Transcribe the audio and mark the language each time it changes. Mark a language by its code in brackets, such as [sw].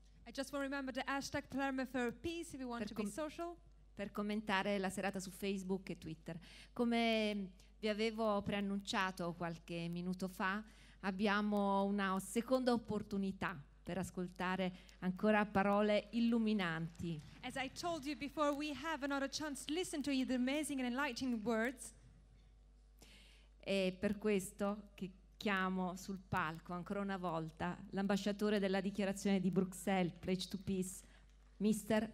[en] I just want to remember the hashtag Palermo for Peace if you want to be social. [it] Per commentare la serata su Facebook e Twitter. Come vi avevo preannunciato qualche minuto fa, abbiamo una seconda opportunità per ascoltare ancora parole illuminanti. [en] As I told you before, we have another chance to listen to you the amazing and enlightening words. [it] E per questo che chiamo sul palco ancora una volta l'ambasciatore della dichiarazione di Bruxelles, Pledge to Peace, Mr.